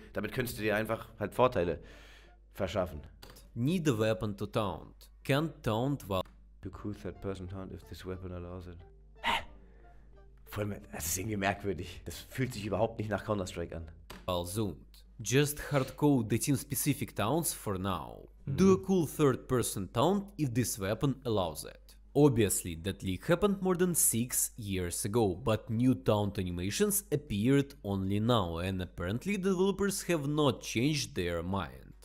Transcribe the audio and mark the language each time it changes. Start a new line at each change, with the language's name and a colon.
German: Damit könntest du dir einfach halt Vorteile verschaffen.
English: Need a weapon to taunt. Can't taunt while to cool third person taunt if this weapon allows it.
German: Voll mit, das ist irgendwie merkwürdig. Das fühlt sich überhaupt nicht nach Counter-Strike an.
English: While zoomed. Just hardcode the team specific taunts for now. Do a cool third person taunt if this weapon allows it. Obviously, that leak happened more than 6 years ago, but new taunt animations appeared only now, and apparently the developers have not changed their mind.